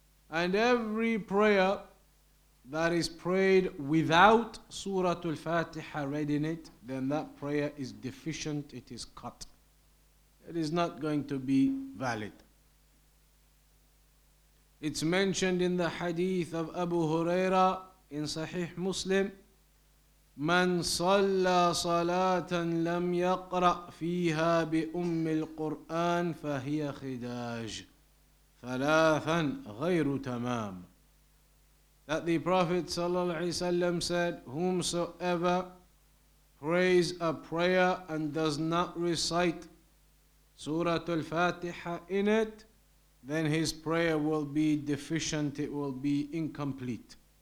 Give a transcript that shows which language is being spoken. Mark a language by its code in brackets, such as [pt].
[en] And every prayer that is prayed without Surah Al-Fatiha read in it, then that prayer is deficient, it is cut. It is not going to be valid. It's mentioned in the hadith of Abu Huraira in Sahih Muslim, [ar] من صلى صلاة لم يقرأ فيها بأم القرآن فهي خداج ثلاثا غير تمام. [en] That the Prophet ﷺ said, whomsoever prays a prayer and does not recite Surah Al-Fatiha in it, then his prayer will be deficient, it will be incomplete.